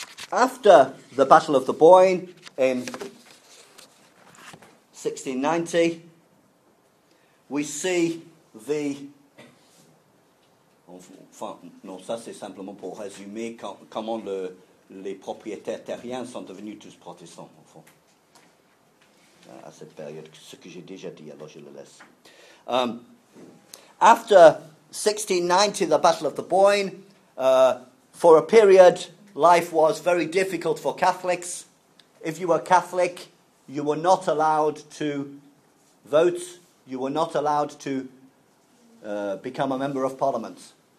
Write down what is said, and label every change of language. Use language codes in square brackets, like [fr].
[en] After the Battle of the Boyne in 1690, we see the. [fr] Enfin, non, ça c'est simplement pour résumer comment les propriétaires terriens sont devenus tous protestants. Enfin, à cette période, ce que j'ai déjà dit, alors je le laisse. [en] After 1690, the Battle of the Boyne, for a period, life was very difficult for Catholics. If you were Catholic, you were not allowed to vote. You were not allowed to become a member of Parliament.